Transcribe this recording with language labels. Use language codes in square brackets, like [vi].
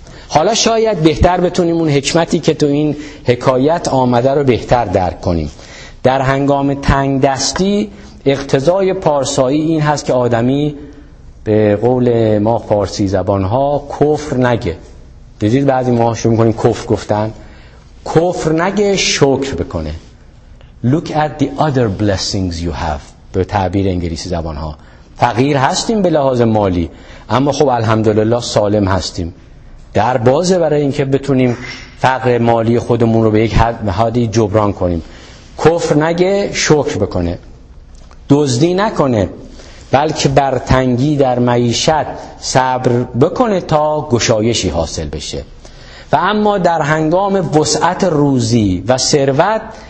[fa] حالا شاید بهتر بتونیم اون حکمتی که تو این حکایت آمده رو بهتر درک کنیم. در هنگام تنگ دستی اقتضای پارسایی این هست که آدمی به قول ما فارسی زبانها کفر نگه. دیدید بعضی ما شروع میکنیم کفر گفتن. کفر نگه، شکر بکنه. [en] Look at the other blessings you have، [fa] به تعبیر انگلیسی زبانها. فقیر هستیم به لحاظ مالی، اما خب الحمدلله سالم هستیم. در بازه برای اینکه بتونیم فقر مالی خودمون رو به یک حدی جبران کنیم. کفر نگه، شکر بکنه. دزدی نکنه، بلکه بر تنگی در معیشت صبر بکنه تا گشایشی حاصل بشه. و اما در هنگام وسعت روزی و ثروت